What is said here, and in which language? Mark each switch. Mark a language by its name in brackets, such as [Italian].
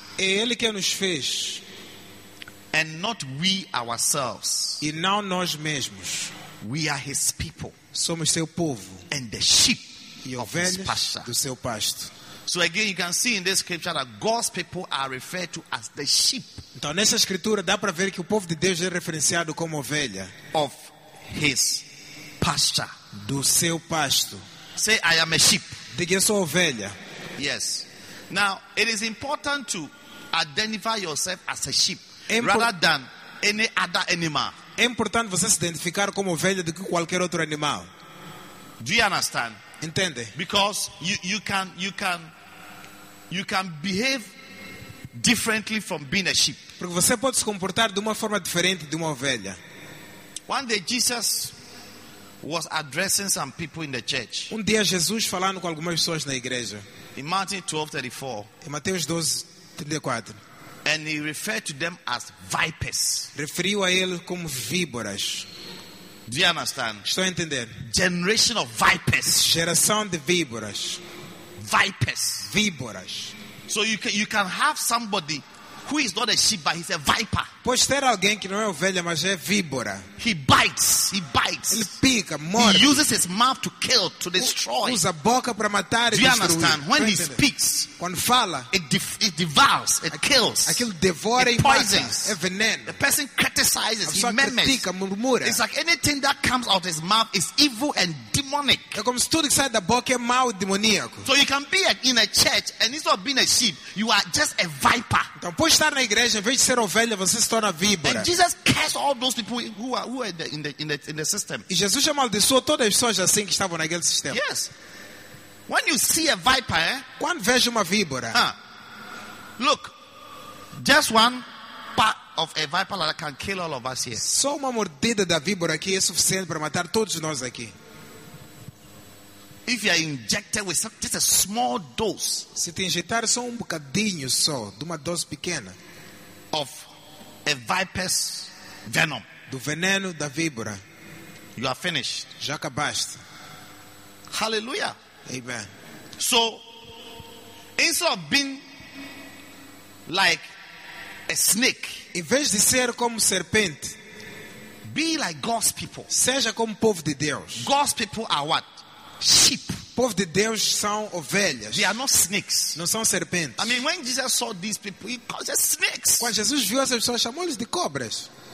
[Portuguese] É ele que nos fez, [English] and not we ourselves. [Portuguese] E não nós mesmos. [English] We are his people. [Portuguese] Somos seu povo. [English] And the sheep [Portuguese] e ovelhas do seu pasto. [English] So again, you can see in this scripture that God's people are referred to as the sheep. [Portuguese] Então nessa escritura dá para ver que o povo de Deus é referenciado como ovelha. [English] Of his pasture. [Portuguese] Do seu pasto. [English] Say, I am a sheep. [Portuguese] Diga, eu sou ovelha. [English] Yes. Now, it is important to identify yourself as a sheep rather than any other animal. [Portuguese] É importante você se identificar como ovelha do que qualquer outro animal. [English] Do you understand? [Portuguese] Entende? [English] Because you can behave differently from being a sheep. [Portuguese] Porque você pode se comportar de uma forma diferente de uma ovelha. [English] One day Jesus was addressing some people in the church. [Portuguese] Um dia Jesus falando com algumas pessoas na igreja. [English] In Matthew 12:34. [Portuguese] Em Mateus 12:34. [English] And he referred to them as vipers. [Portuguese] Referiu a eles como víboras. [English] Do you understand? [Portuguese] Estou a entender. [English] Generation of vipers. [Portuguese] Geração de víboras. [English] Vipers. [Portuguese] Víboras. [English] So you can have somebody who is not a sheep, but he's a viper. [Portuguese] Pode ter alguém que não é ovelha, mas é víbora. [English] He bites. [Portuguese] Ele pica, morde. [English] He uses his mouth to kill, to destroy. [Portuguese] Usa a boca para matar e destruir. [English] Do you understand? When he speaks, [Portuguese] quando fala, [English] it devours, it kills. [Portuguese] Aquilo devora [English] e poisons. [Portuguese] É veneno. [English] The person criticizes, he murmurs. [Portuguese] Pica, murmura. [English] It's like anything that comes out his mouth is evil and demonic. [Portuguese] É como se tudo que sai da boca é mau e demoníaco. [English] So you can be in a church and instead of being a sheep, you are just a viper. [Portuguese] Então pode estar na igreja, em vez de ser ovelha, você se torna víbora. [English] And Jesus cursed all those people who are in the system. [Portuguese] E Jesus amaldiçoou todas as pessoas assim que estavam naquele sistema. [English] Yes. When you see a viper, [Portuguese] quando vejo uma víbora, [English] look, just one part of a viper that can kill all of us here. [Portuguese] Só uma mordida da víbora aqui é suficiente para matar todos nós aqui. [English] If you are injected with some, just a small dose, [Portuguese] se te injetar só um bocadinho só, de uma dose pequena, [English] of a viper's venom, [Portuguese] do veneno da víbora, [English] you are finished. [Portuguese] Já acabaste. [English] Hallelujah. [Portuguese] Amen. [English] So, instead of being like a snake, [Portuguese] em vez de ser como serpente, [English] be like God's people. [Portuguese] Seja como povo de Deus. [English] God's people are what? Sheep. [Portuguese] Povo de Deus são ovelhas. [English] They are not snakes. [Portuguese] Não são serpentes. [English] I mean, when Jesus saw these people, he called them snakes. [Portuguese] Quando Jesus viu essas pessoas, chamou-lhes de cobras.